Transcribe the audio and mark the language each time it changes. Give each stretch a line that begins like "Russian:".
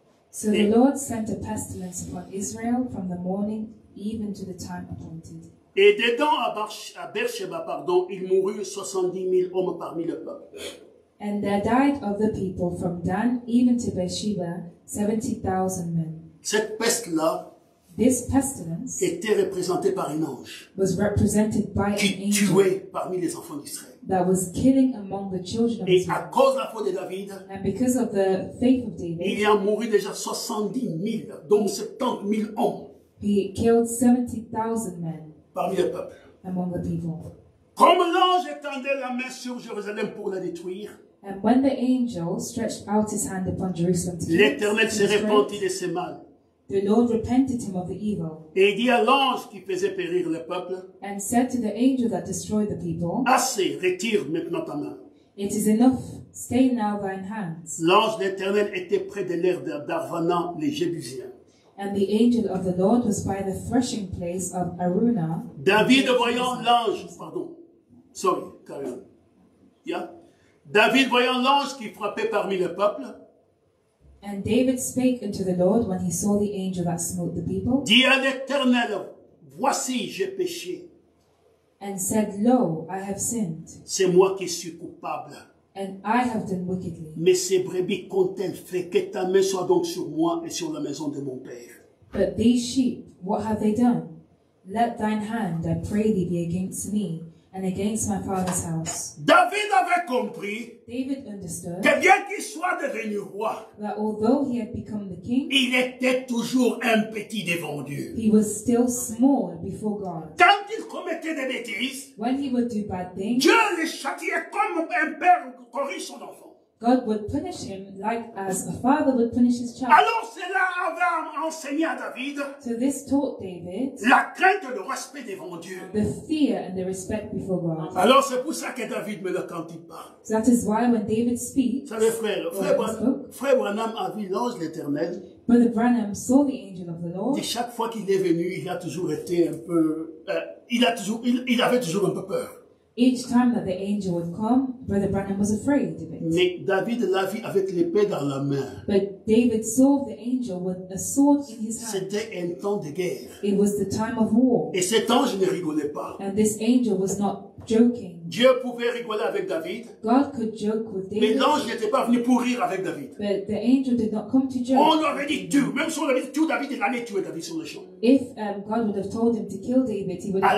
English: So the Lord sent a pestilence upon Israel from the morning even to the time appointed.
French: Et dedans à Beersheba, pardon, il mourut 70 000 hommes parmi le peuple.
English: And there died of the people from Dan even to Beersheba 70,000 men.
French: Cette peste-là,
English: This pestilence
French: était représentée par un ange
English: was represented by
French: qui
English: an angel
French: tuait parmi les enfants d'Israël.
English: That was killing among the children of
French: et
English: Israel.
French: À cause de la foi de David,
English: and because of the faith of David,
French: il y a mouru déjà 70 000, dont 70 000 hommes.
English: He killed 70,000 men
French: parmi le peuple.
English: Among the people.
French: Comme l'ange étendait la main sur Jérusalem pour la détruire,
English: and when the angel stretched out his hand upon Jerusalem to
French: l'Éternel s'est repenti de ses mal.
English: The Lord repented him of the evil.
French: Et dit à l'ange qui faisait périr le peuple,
English: and said to the angel that destroyed the people,
French: assez, retire maintenant ta main.
English: It is enough, stay now thine hands.
French: L'ange d'Éternel était près de l'air d'Arvana, les Jébusiens.
English: And the angel of the Lord was by the threshing place of Arunah.
French: David voyant l'ange, pardon,
English: sorry, carry on. Yeah.
French: David voyant l'ange qui frappait parmi le peuple.
English: And David spake unto the Lord when he saw the angel that smote the people.
French: Dit à l'Éternel, voici j'ai péché.
English: And said, lo, I have sinned.
French: C'est moi qui suis coupable.
English: And I have done wickedly.
French: Mais ces brebis comptent-elles, fait que ta main soit donc sur moi et sur la maison de mon père.
English: But these sheep, what have they done? Let thine hand, I pray thee, be against me and against my father's house.
French: David avait compris.
English: David understood.
French: Que bien qu'il soit devenu roi,
English: that although he had become the king,
French: il était toujours un petit devant Dieu.
English: He was still small before God.
French: Quand il commettait des bêtises,
English: when he would do bad things,
French: Dieu le châtiait comme un père corrige son enfant.
English: God would punish him like as a father would punish his child.
French: Alors cela avait enseigné à David.
English: So this taught David
French: la crainte et le respect devant Dieu.
English: The fear and the respect before God.
French: Alors c'est pour ça que David me le quand il parle.
English: So that is why when David speaks.
French: Savez frère Branham a vu l'ange l'Éternel.
English: Brother Branham saw the angel of the Lord.
French: Et chaque fois qu'il est venu, il a toujours été un peu, il avait toujours un peu peur.
English: Each time that the angel would come, Brother Branham was afraid of it.
French: Mais David l'a vu avec l'épée dans la main.
English: But David saw the angel with a sword in his hand.
French: C'était un temps de guerre.
English: It was the time of war.
French: Et cet ange ne rigolait pas.
English: And this angel was not joking.
French: Dieu pouvait rigoler avec David.
English: God could joke with David.
French: Mais l'ange n'était pas venu pour rire avec David.
English: But the angel did not come to joke.
French: On aurait dit tue. Même si on avait dit tue David, il allait tuer David sur le champ.
English: If God would have told him to kill David, he would have